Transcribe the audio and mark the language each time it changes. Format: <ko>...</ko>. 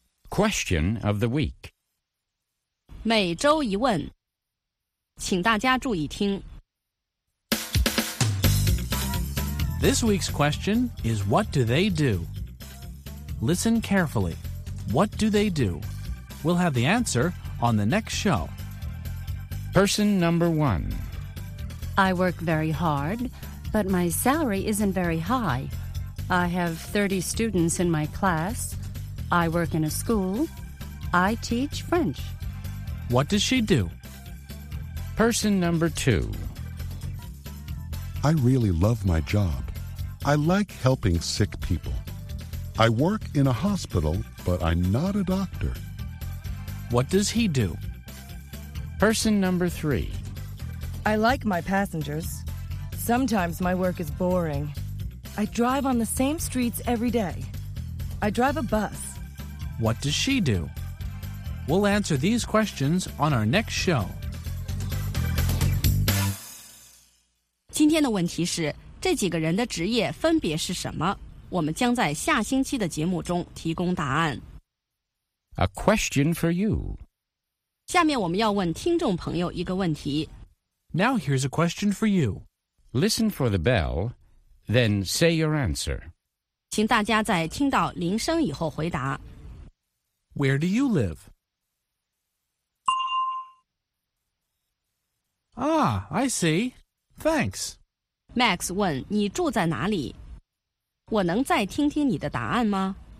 <en>Question of the week.</en> <zh>每周一问，请大家注意听。</zh> <en>This week's question is what do they do? Listen carefully. What do they do? We'll have the answer on the next show. Person number one. I work very hard, but my salary isn't very high. I have 30 students in my class. I work in a school. I teach French. What does she do? Person number two. I really love my job. I like helping sick people. I work in a hospital, but I'm not a doctor. What does he do? Person number three. I like my passengers. Sometimes my work is boring. I drive on the same streets every day. I drive a bus, What does she do? We'll answer these questions on our next show.</en> <zh>今天的问题是，这几个人的职业分别是什么？我们将在下星期的节目中提供答案。</zh> <en>A question for you.</en> <zh>下面我们要问听众朋友一个问题。</zh> <en>Now here's a question for you. Listen for the bell, then say your answer.</en> <zh>请大家在听到铃声以后回答。</zh> <en>Where do you live? Ah, I see. Thanks.</en> <zh>Max 问你住在哪里？我能再听听你的答案吗？</zh>